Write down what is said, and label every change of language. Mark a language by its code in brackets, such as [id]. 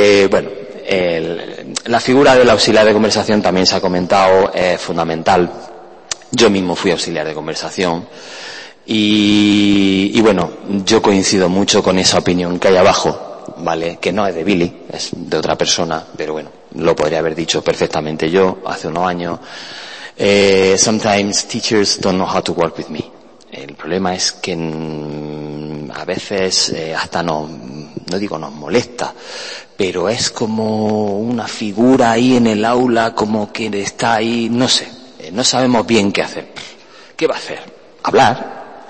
[es] bueno, la figura del auxiliar de conversación también se ha comentado, es fundamental. Yo mismo fui auxiliar de conversación. Y bueno, yo coincido mucho con esa opinión que hay abajo, ¿vale? Que no es de Billy, es de otra persona, pero bueno, lo podría haber dicho perfectamente yo hace unos años. [en] Sometimes teachers don't know how to work with me. [es] El problema es que a veces hasta nos molesta, pero es como una figura ahí en el aula, como que está ahí, no sé, no sabemos bien qué hacer. ¿Qué va a hacer? Hablar.